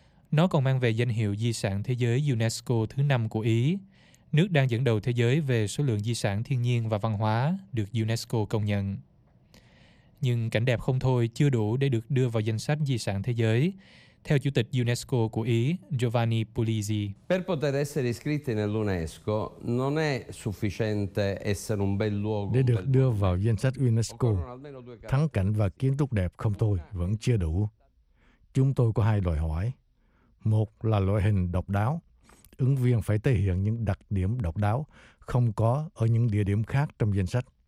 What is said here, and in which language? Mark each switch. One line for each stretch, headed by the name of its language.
Vietnamese: Nó còn mang về danh hiệu Di sản Thế giới UNESCO thứ 5 của Ý, nước đang dẫn đầu thế giới về số lượng di sản thiên nhiên và văn hóa được UNESCO công nhận. Nhưng cảnh đẹp không thôi chưa đủ để được đưa vào danh sách di sản thế giới, theo Chủ tịch UNESCO của Ý Giovanni Puglisi.
Italian: Per poter essere iscritti nell'UNESCO non è sufficiente essere un bel luogo.
Vietnamese: Để được đưa vào danh sách UNESCO, thắng cảnh và kiến trúc đẹp không thôi vẫn chưa đủ. Chúng tôi có hai đòi hỏi. Một là loại hình độc đáo. Ứng viên phải thể hiện những đặc điểm độc đáo không có ở những địa điểm khác trong danh sách.